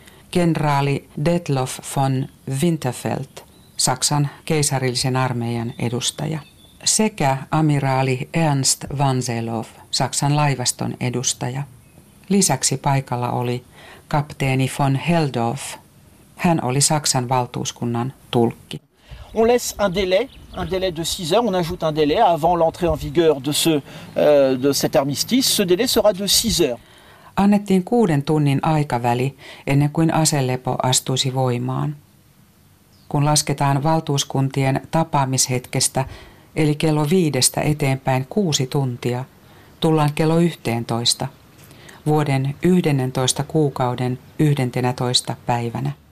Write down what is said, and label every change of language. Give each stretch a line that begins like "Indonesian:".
Finnish: Kenraali Detlof von Winterfeld, Saksan keisarillisen armeijan edustaja. Sekä amiraali Ernst Wanzelow, Saksan laivaston edustaja. Lisäksi paikalla oli kapteeni von Heldorf. Hän oli Saksan valtuuskunnan tulkki.
French: On laisse un délai de 6 heures, on ajoute un délai avant l'entrée en vigueur de cet armistice. Ce délai sera de 6 heures.
Finnish: Annettiin 6 tunnin aikaväli ennen kuin aselepo astuisi voimaan. Kun lasketaan valtuuskuntien tapaamishetkestä, eli kello 5 eteenpäin 6 tuntia, tullaan kello 11 vuoden 11 kuukauden 11 päivänä.